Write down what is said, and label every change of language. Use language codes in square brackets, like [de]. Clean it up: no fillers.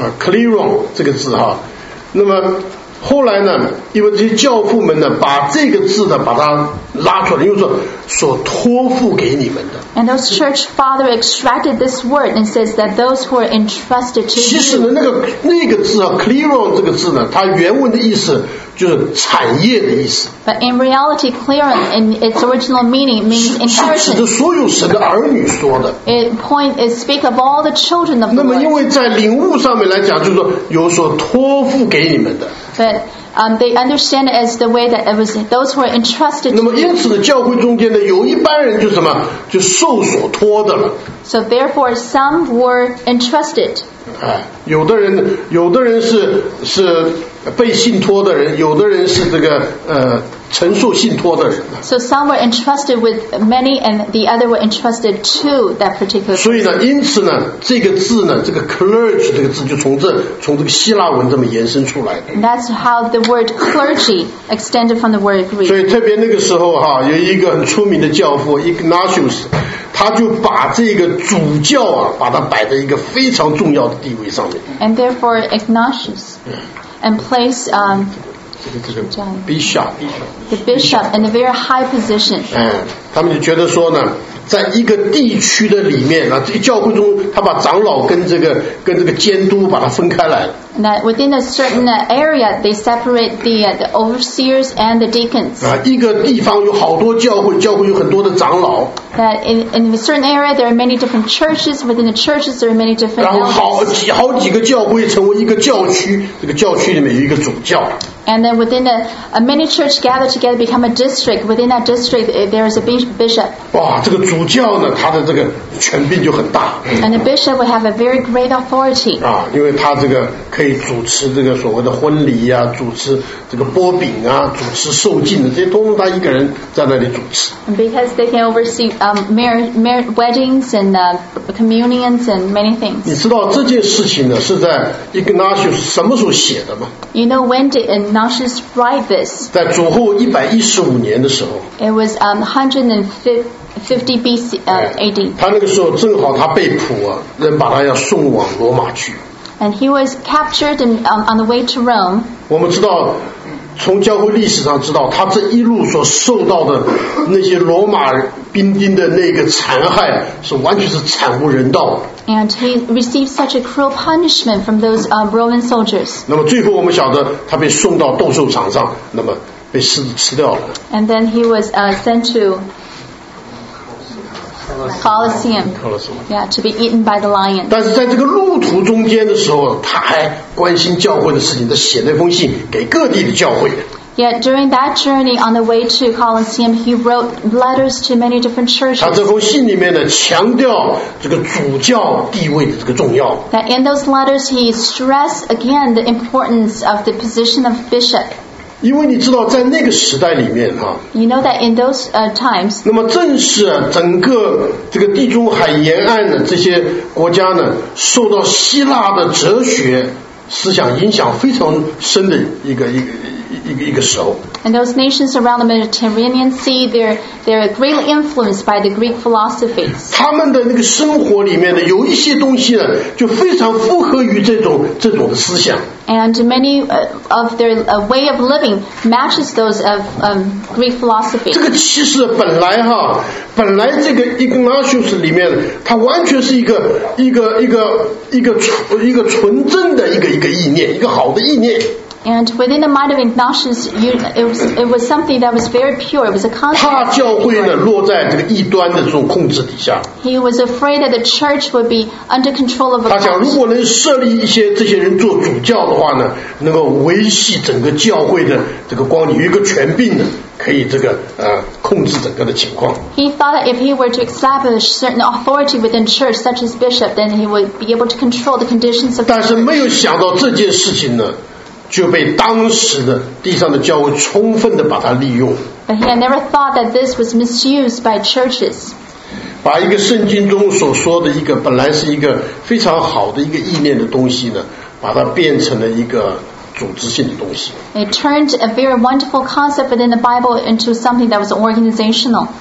[zh] Kleron 这个字哈，那么。后来呢，因为这些教父们呢，把这个字呢，把它拉出来，又说所托付给你们的。 [en] And those church father extracted this word and says that those who are entrusted to you. [zh] 其实呢，那个字啊 ，clearon 这个字呢，它原文的意思就是产业的意思。 [en] But in reality, clearon in its original meaning means inheritance. [zh] 是指的所有神的儿女说的。 [en] It speak of all the children of the Lord. [zh] 那么，因为在领悟上面来讲，就是说有所托付给你们的。 [en] But they understand it as the way that it was those who are entrusted. [zh] 那么因此呢，教会中间呢，有一般人就什么，就受所托的了。 [en] So therefore, some were entrusted. [zh] 哎，有的人是被信托的人，有的人是这个承受信托的人。 [en] So some were entrusted with many, and the other were entrusted to that particular. [zh] 所以呢，因此呢，这个字呢，这个 clergy 这个字就从这个希腊文这么延伸出来。 [en] That's how the word clergy extended from the word Greek. [zh] 所以特别那个时候哈，有一个很出名的教父 Ignatius， 他就把这个主教啊，把它摆在一个非常重要的地位上面。 [en] And therefore, Ignatius. And place the bishop in a very high position. [zh] 他们就觉得说呢，在一个地区的里面啊，这个教会中，他把长老跟这个监督把它分开来。 [en] that within a certain area, they separate the overseers and the deacons. [zh] 一个地方有好多教会，教会有很多的长老。 [en] That in a certain area, there are many different churches. Within the churches, there are many different. [zh] 然后好几个教会成为一个教区，这个教区里面有一个主教。 [en] And then within a many church gather together become a district. Within that district, there is a bishop. [zh] 哇，这个主教呢，他的这个权柄就很大。 [en] And the bishop will have a very great authority. [zh] 啊，因为他这个可以主持这个所谓的婚礼啊，主持这个波饼啊，主持受浸的，这些都是他一个人在那里主持。 [en] And because they can oversee marriage weddings and communions and many things. [zh] 你知道这件事情呢，是在 Ignatius 什么时候写的吗 [en] ？You know when did and not just write this. [zh] 在主后115年的时候。 [en] It was 150 BC, AD. [zh] 他那个时候正好他被捕啊，人把他要送往罗马去。 [en] And he was captured and on the way to Rome. [zh] 我们知道，从教会历史上知道，他这一路所受到的那些罗马兵丁的那个残害，是完全是惨无人道。 [en] And he received such a cruel punishment from those Roman soldiers. [zh] 那么最后我们晓得他被送到斗兽场上，那么被狮子吃掉了。 [en] And then he was sent to Colosseum. Yeah, to be eaten by the lion. [zh] 但是在这个路途中间的时候，他还关心教会的事情，他写那封信给各地的教会。 [en] Yet during that journey on the way to Colosseum, he wrote letters to many different churches. [zh] 他这封信里面呢，强调这个主教地位的这个重要。 [en] That in those letters, he stressed again the importance of the position of bishop. [zh] 因为你知道，在那个时代里面哈。 [en] You know that in those times. [zh] 那么正是整个这个地中海沿岸的这些国家呢，受到希腊的哲学思想影响非常深的一个时候。 [en] And those nations around the Mediterranean Sea, they're greatly influenced by the Greek philosophies. [zh] 他们的那个生活里面的有一些东西呢，就非常符合于这种的思想。 [en] And many of their way of living matches those of Greek philosophy. [zh] 这个其实本来这个 Ignatius 里面，它完全是一个纯正的一个意念，一个好的意念。 [en] And within the mind of Ignatius, it was something that was very pure. It was a concept. [zh] 怕教会呢落在这个异端的这种控制底下。 [en] He was afraid that the church would be under control of a. [zh] 他想，如果能设立一些这些人做主教的话呢，能够维系整个教会的这个光明，有一个权柄呢，可以这个控制整个的情况。 [en] He thought that if he were to establish certain authority within church, such as bishop, then he would be able to control the conditions of. [zh] 但是没有想到这件事情呢。就被当时的地上的教会充分的把它利用。 [en] But he had never thought that this was misused by churches. [zh] 把一个圣经中所说的一个本来是一个非常好的一个意念的东西呢，把它变成了一个组织性的东西。 [en] It turned a very wonderful concept within the Bible into something that was organizational.